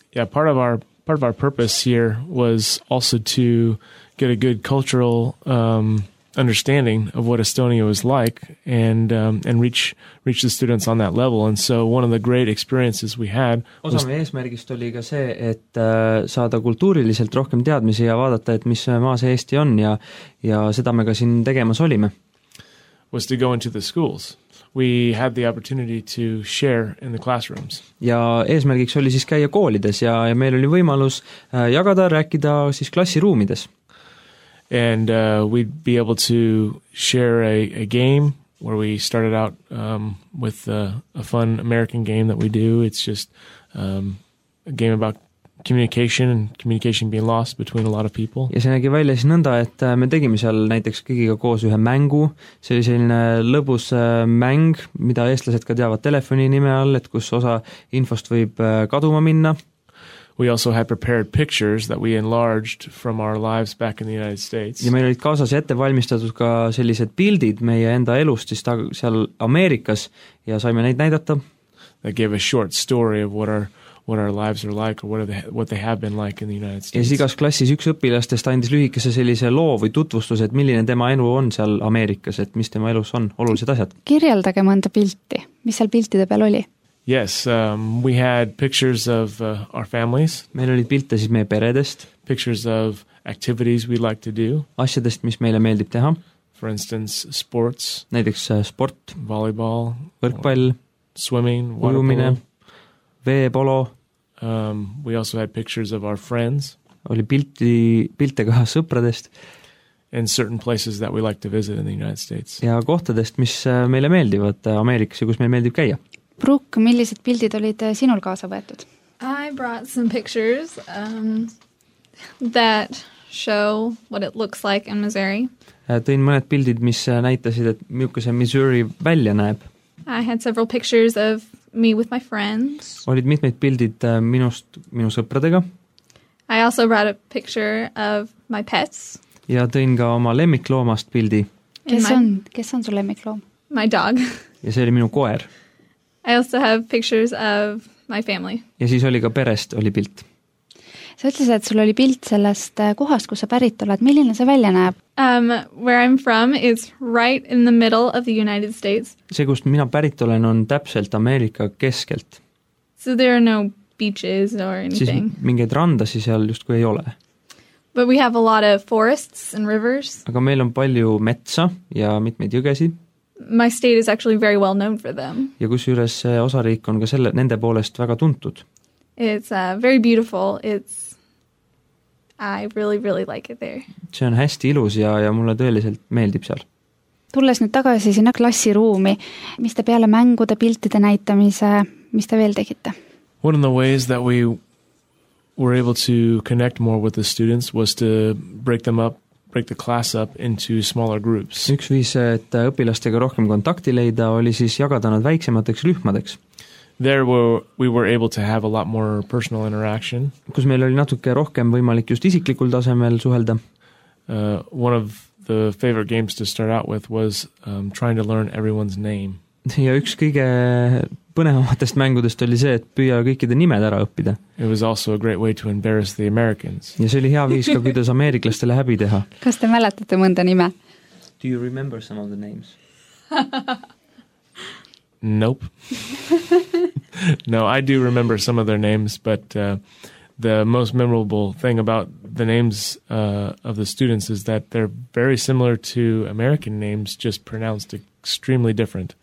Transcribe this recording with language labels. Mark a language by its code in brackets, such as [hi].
[en] Part of our purpose here was also to get a good cultural understanding of what Estonia was like and reach the students on that level. And so one of the great experiences we had was... [et] Osame eesmärgist oli ka see, et saada kultuuriliselt rohkem teadmisi ja vaadata, et mis maa see Eesti on ja seda me ka siin tegemas olime. [en] Was to go into the schools. We had the opportunity to share in the classrooms. [et] Ja eesmärgiks oli siis käia koolides ja meil oli võimalus jagada, rääkida siis klassiruumides. [en] And we'd be able to share a game where we started out with a fun American game that we do. It's just a game about communication and communication being lost between a lot of people. [et] Ja see nägi välja siis nõnda, et me tegime seal näiteks kõigiga koos ühe mängu. See oli selline lõbus mäng, mida eestlased ka teavad telefoni nime all, et kus osa infost võib kaduma minna. [en] We also had prepared pictures that we enlarged from our lives back in the United States. [et] Ja meil olid kaasas ette valmistatud ka sellised pildid meie enda elust siis seal Ameerikas ja saime neid näidata. [en] That gave a short story of what our lives are like or what they have been like in the United States. [et] Ja siis igas klassis üks õpilastest andis lühikese sellise loo või tutvustus, et milline tema elu on seal Ameerikas, et mis tema elus on, olulised asjad. Kirjeldage mõnda pilti, mis seal piltide peal oli. [en] Yes, we had pictures of our families. [et] Meil olid pilte siis meie peredest. [en] Pictures of activities we like to do. [et] Asjadest, mis meile meeldib teha. [en] For instance, sports. [et] Näiteks sport. [en] Volleyball. [et] Võrkpall. [en] Swimming. [et] Ujumine. Veepolo. [en] We also had pictures of our friends. [et] Oli pilte ka sõpradest. [en] And certain places that we like to visit in the United States. [et] Ja kohtadest, mis meile meeldivad Ameerikas ja kus meil meeldib käia. Brooke, millised pildid olid sinul kaasa võetud? [en] I brought some pictures that show what it looks like in Missouri. [et] Tõin mõned pildid, mis näitasid, et millise Missouri välja näeb. [en] I had several pictures of me with my friends. [et] Olid mitmed pildid minu sõpradega. [en] I also brought a picture of my pets. [et] Ja tõin ka oma lemmikloomast pildi. Kes on su lemmikloom? [en] My dog. [et] Ja see oli minu koer. [en] I also have pictures of my family. [et] Ja siis oli ka perest oli pilt. Sa ütlesid, et sul oli pilt sellest kohast, kus sa pärit oled. Milline see välja näeb? [en] Where I'm from is right in the middle of the United States. [et] See, kust mina pärit olen, on täpselt Ameerika keskelt. [en] So there are no beaches or anything. [et] Siis mingeid randasi seal just kui ei ole. [en] But we have a lot of forests and rivers. [et] Aga meil on palju metsa ja mitmeid jõgesid. [en] My state is actually very well known for them. [et] Ja kusjuures osariik on ka selle, nende poolest väga tuntud. [en] It's very beautiful. It's I really, really like it there. [et] See on hästi ilus ja mulle tõeliselt meeldib seal. Tulles nüüd tagasi sinna klassiruumi, mis te peale mängude piltide näitamise, mis te veel tegite? [en] One of the ways that we were able to connect more with the students was to break them up, break the class up into smaller groups. [et] Üks viis, et õpilastega rohkem kontakti leida, oli siis jagada nad väiksemateks rühmadeks. [en] There we were able to have a lot more personal interaction. [et] Kus meil oli natuke rohkem võimalik just isiklikul tasemel suhelda. [en] One of the favorite games to start out with was trying to learn everyone's name. [et] Ja üks kõige põnevamatest mängudest oli see, et püüa kõikide nimed ära õppida. [en] It was also a great way to embarrass the Americans. [et] Ja see oli hea viis ka, kuidas ameeriklastele häbi teha. Kas te mäletate mõnda nime? [en] Do you remember some of the names? Nope. No, I do remember some of their names, but the most memorable thing about the names of the students is that they're very similar to American names, just pronounced extremely different.